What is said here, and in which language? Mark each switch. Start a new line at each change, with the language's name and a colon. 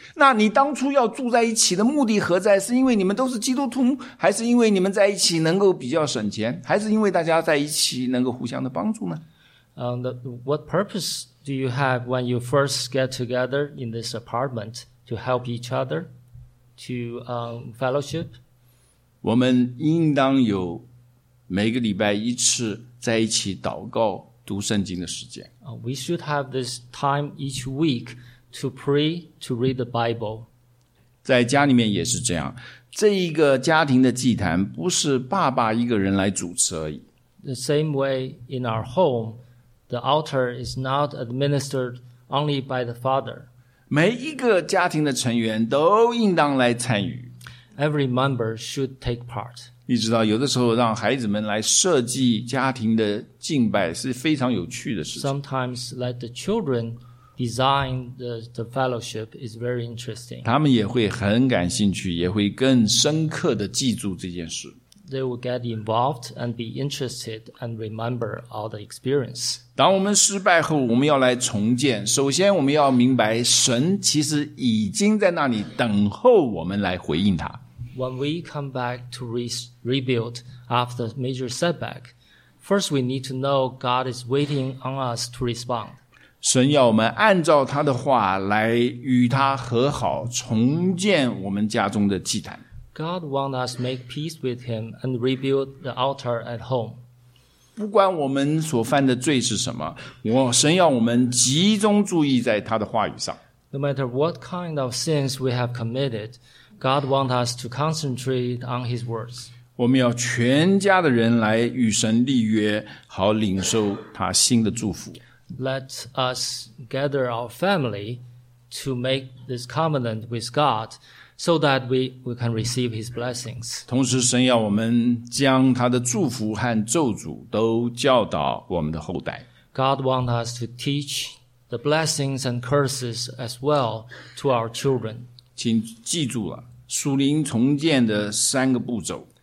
Chinese: 那你当初要住在一起的目的何在？是因为你们都是基督徒，还是因为你们在一起能够比较省钱，还是因为大家在一起能够互相的帮助呢？
English: What purpose do you have when you first get together in this apartment to help each other, to fellowship?
Chinese: 我们应当有每个礼拜一次在一起祷告读圣经的时间
English: We should have this time each week to pray to read the Bible
Chinese: 在家里面也是这样这一个家庭的祭坛不是爸爸一个人来主持而已
English: The same way in our home the altar is not administered only by the father
Chinese: 每一个家庭的成员都应当来参与
English: Every member should take part
Chinese: 你知道有的时候让孩子们来设计家庭的敬拜是非常有趣的事情。
English: Sometimes let the children design the fellowship is very interesting.
Chinese: 他们也会很感兴趣也会更深刻地记住这件事。
English: They will get involved and be interested and remember all the experience.
Chinese: 当我们失败后我们要来重建首先我们要明白神其实已经在那里等候我们来回应他。
English: When we come back to rebuild after major setback, first we need to know God is waiting on us to respond.
Chinese: 神要我们按照他的话来与他和好，重建我们家中的祭坛。
English: God wants us to make peace with him and rebuild the altar at home.
Chinese: 不管我们所犯的罪是什么，神要我们集中注意在他的话语上。
English: No matter what kind of sins we have committed,God wants us to concentrate on His words.
Chinese: 我们要全家的人来与神立约，好领受他新的祝福。
English: Let us gather our family to make this covenant with God so that we can receive His blessings.
Chinese: 同时神要我们将他的祝福和咒诅都教导我们的后代。
English: God wants us to teach the blessings and curses as well to our children.
Chinese: 请记住了属灵重建的三个步骤